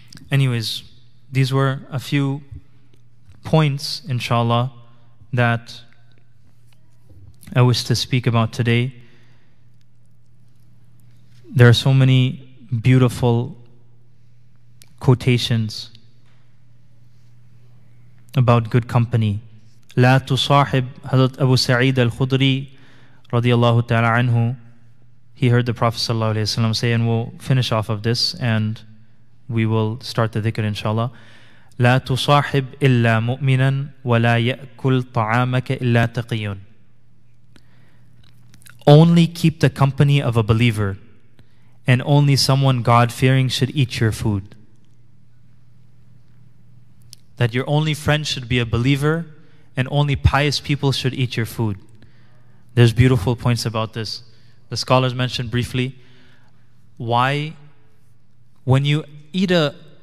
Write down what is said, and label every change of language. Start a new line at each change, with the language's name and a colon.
English: Anyways, these were a few points, inshallah, that I wish to speak about today. There are so many beautiful quotations about good company.
Arabic: لا تصاحب حضرت أبو سعيد الخضري رضي الله تعالى عنه.
English: He heard the Prophet sallallahu alaihi wasallam say, and we'll finish off of this and we will start the dhikr inshallah.
Arabic: لا تصاحب إلا مؤمنا ولا يأكل طعامك إلا تقي.
English: Only keep the company of a believer, and only someone God-fearing should eat your food. That your only friend should be a believer, and only pious people should eat your food. There's beautiful points about this. The scholars mentioned briefly why when you eat a...